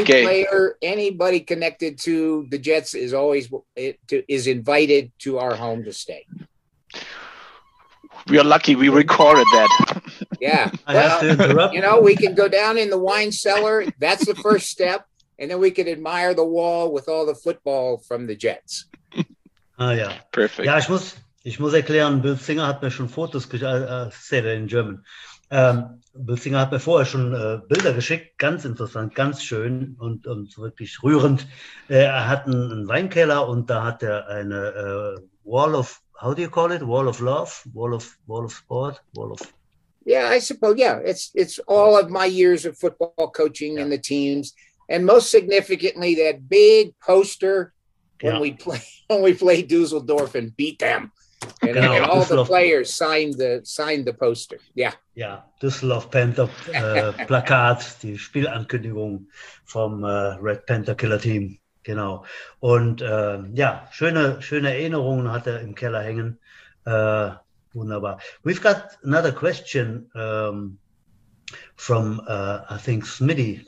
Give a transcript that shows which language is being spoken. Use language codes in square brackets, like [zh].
[en] Any player, anybody connected to the Jets is always is invited to our home to stay. We are lucky we recorded that. Yeah. Well, I have to interrupt. You know, we can go down in the wine cellar. That's the first step. And then we can admire the wall with all the football from the Jets. [de] Ah, ja. [en] Perfect. [de] Ja, ich muss erklären, Bill Singer hat mir schon Fotos geschickt. [en] Say that in German. [de] Bill Singer hat mir vorher schon Bilder geschickt. Ganz interessant, ganz schön und wirklich rührend. Er hat einen Weinkeller und da hat er eine [en] Wall of, how do you call it? Wall of love? Wall of sport? Wall of... Yeah, I suppose. Yeah, it's all of my years of football coaching and the teams. And most significantly, that big poster when we play Dusseldorf and beat them. And all Dusseldorf. The players signed the poster. Yeah. [de] Yeah, Dusseldorf Panther Plakat, die Spielankündigung vom Red Panther Killer Team. Genau. Und schöne Erinnerungen hat er im Keller hängen. Wunderbar. [en] We've got another question from, I think, Smitty.